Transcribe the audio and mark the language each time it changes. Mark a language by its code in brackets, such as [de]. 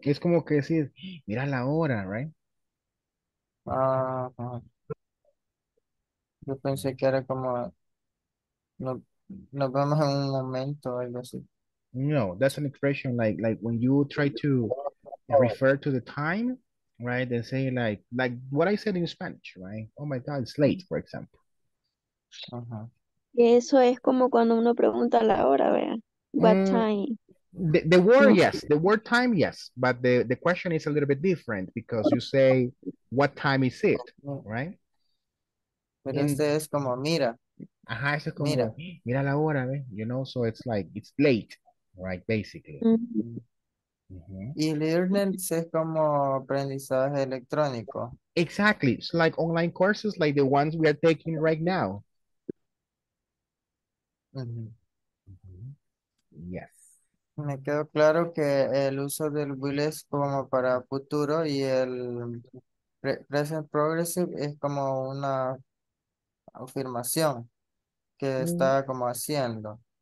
[es] Es como que decir, mira la hora, right? Yo pensé que era como, nos vemos en un momento, algo así. [en] No, that's an expression like when you try to refer to the time, right? They say like what I said in Spanish, right? Oh my God, it's late, for example. Uh-huh. [es] Eso es como cuando uno pregunta la hora, ¿verdad? [en] What time? The word, yes. The word time, yes. But the question is a little bit different because you say, what time is it, right? [es] Pero este es como, mira. Ajá, eso es como, mira la hora, ¿ve? [en] You know, so it's like, it's late, right, basically. [es] Mm-hmm. Mm-hmm. Y learning es como aprendizaje electrónico. [en] Exactly, it's like online courses, like the ones we are taking right now. Mm-hmm. Mm-hmm. Yes. [es] Me quedó claro que el uso del will es como para futuro y el present progressive es como una afirmación que está como haciendo.